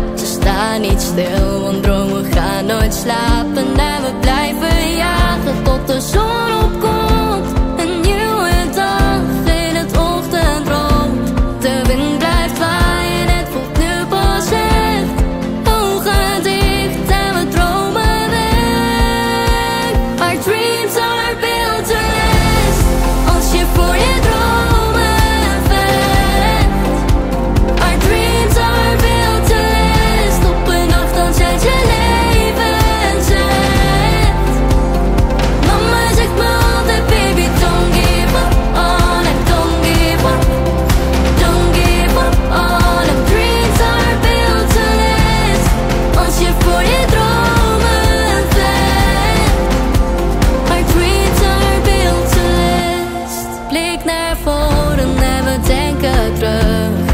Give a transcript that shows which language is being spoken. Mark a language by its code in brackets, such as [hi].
[nl] Ze staan niet stil, want dromen gaan nooit slapen. En we blijven jagen tot de zon opkomt. Een nieuwe dag in het ochtendrood. De wind blijft waaien, het voelt nu pas echt. Ogen dicht en we dromen weg. [en] Our dreams are built to last. [nl] Als je voor je dromen vecht. [en] Our dreams are built to last. [nl] Op een dag dan zet je leven zet. Mama zegt me altijd, [en] baby, don't give up on it. Don't give up, don't give up on it. Dreams are built to last. [nl] Als je voor je dromen vecht. [en] Our dreams are built to last. [nl] Blik naar voren en we denken terug.